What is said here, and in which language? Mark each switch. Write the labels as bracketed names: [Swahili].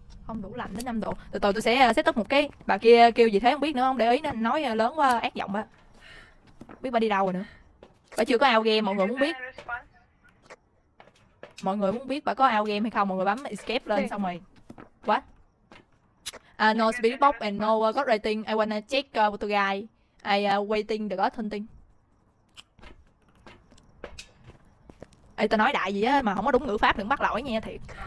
[Vietnamese] Oh không đủ lạnh đến 5 độ. Từ từ tôi sẽ set up một cái. Bà kia kêu gì thế không biết nữa không? Để ý nên nói lớn quá ác giọng á. Biết bà đi đâu rồi nữa. Bà chưa có out game, mọi người muốn biết. Mọi người muốn biết bà có out game hay không, mọi người bấm escape lên xong rồi. [English] What? No spirit box and no god rating. I wanna check with the guy. I waiting the god hunting. [Vietnamese] Ê, ta nói đại gì á mà không có đúng ngữ pháp đừng bắt lỗi nha thiệt.